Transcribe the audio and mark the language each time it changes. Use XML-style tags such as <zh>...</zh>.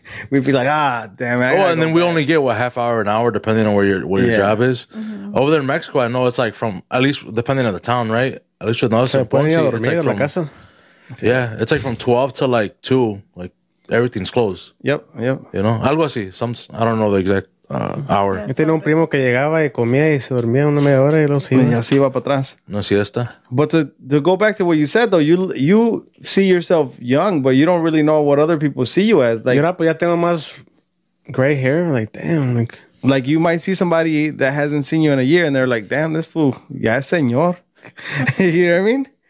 <en>We'd be like, ah, damn it. Oh, and then we only get, what, half hour, an hour, depending on where your job is. Mm-hmm. Over there in Mexico, I know it's, like, from, at least, depending on the town, right? At least with Noe, it's like from,</en> <es>la casa.</es> <en>Yeah, it's like from 12 to like 2, like everything's closed. Yep. You know,</en> <es>algo así.</es> <en>I don't know the exact hour.</en> <es>Yo tenía un primo que llegaba y comía y se dormía una media hora y luego se iba para atrás. No siesta.</es> <en>But to go back to what you said though, you see yourself young, but you don't really know what other people see you as. Like,</en> <es>ya tengo más</es> <en>gray hair. Like, damn. Like you might see somebody that hasn't seen you in a year and they're like, damn, this fool,</en> <es>ya es señor.</es> <en>You know what I mean?</en>